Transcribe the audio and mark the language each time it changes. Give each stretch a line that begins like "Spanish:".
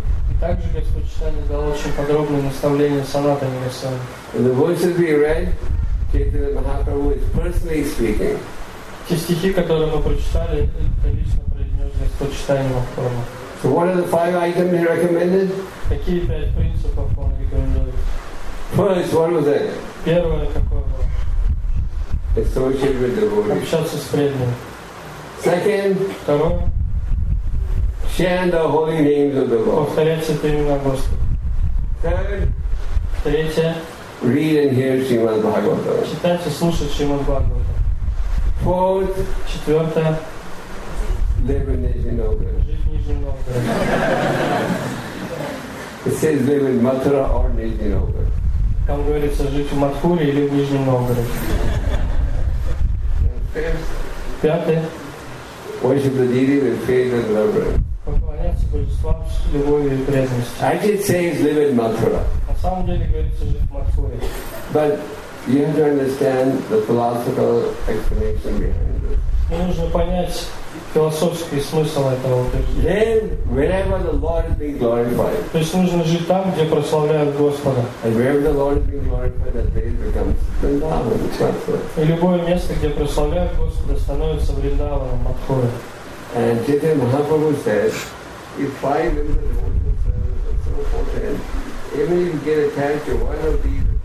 Russian: И также Господь Читание дал очень подробное наставление Санатане Госвами.
English: When the voices be read, Chaitanya Mahaprabhu is personally speaking.
Russian: Те стихи, которые мы прочитали, это лично произнес Господь Читание Махапрабху.
English: So what are the five items he recommended?
Russian: Какие пять принципов он рекомендует?
English: First, what was it?
Russian: Первое какое было?
English: Associate with devotees.
Russian: Общаться с преданными.
English: Second.
Russian: Второе.
English: Chant the holy names of the Lord.
Russian: Повторять святые имена Господа.
English: Third.
Russian: Третье.
English: Read and hear Srimad Bhagavatam.
Russian: Читать и слушать Srimad Bhagavatam.
English: Fourth,
Russian: четвертое.
English: Live in Nizhny Novgorod.
Russian: Жить в Нижнем Новгороде.
English: It says live in Mathura or Nizhny Novgorod.
Russian: Там говорится жить в Матхуре или в Нижнем Новгороде. Пятое.
English: Worship the deity with faith and reverence.
Russian: Поклоняться Божествам с любовью и преданностью.
English: I did say live in Mathura.
Russian: На самом деле говорится жить в Матхуре.
English: But you have to understand the philosophical explanation behind this.
Russian: Нужно понять философский смысл этого.
English: Then, wherever the Lord is being glorified.
Russian: То есть нужно жить там, где прославляют Господа.
English: And wherever the Lord is being glorified, that place becomes Vrindavan, the Matthura.
Russian: И любое место, где прославляют Господа, становится Вриндаваном, Матхурой.
English: And Chaitanya Mahaprabhu says, if five members of devotional service are so potent, even if you get attached to one of these,